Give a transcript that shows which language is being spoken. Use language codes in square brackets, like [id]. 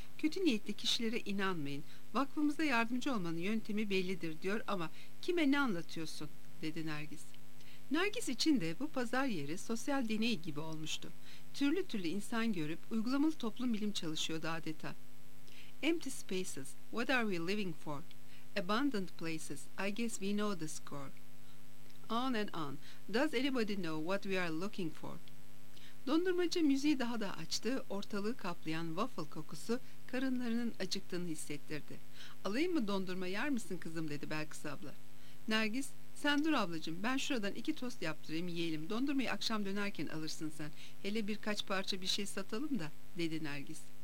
[tr] Kötü niyetli kişilere inanmayın. Vakfımıza yardımcı olmanın yöntemi bellidir, diyor ama kime ne anlatıyorsun, dedi Nergis. Nergis için de bu pazar yeri sosyal deney gibi olmuştu. Türlü türlü insan görüp uygulamalı toplum bilim çalışıyordu adeta. [en] Empty spaces, what are we living for? Abundant places, I guess we know the score. On and on, does anybody know what we are looking for? [tr] Dondurmacı müziği daha da açtı, ortalığı kaplayan waffle kokusu karınlarının acıktığını hissettirdi. Alayım mı dondurma, yer misin kızım, dedi Belkıs abla. Nergis, sen dur ablacığım, ben şuradan iki tost yaptırayım yiyelim. Dondurmayı akşam dönerken alırsın sen, hele birkaç parça bir şey satalım da, dedi Nergis.